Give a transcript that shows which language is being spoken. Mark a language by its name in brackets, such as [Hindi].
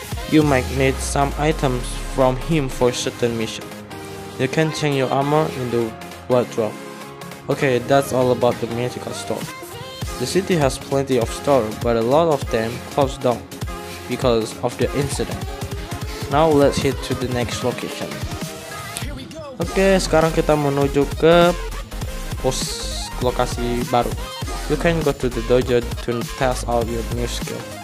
[English] You might need some items from him for certain mission. You can change your armor in the wardrobe. Okay, that's all about the Mythical Store. The city has plenty of stores, but a lot of them closed down because of the incident. Now let's head to the next location. [Indonesian] Okay, sekarang kita menuju ke pos lokasi baru. [English] You can go to the dojo to test out your new skill.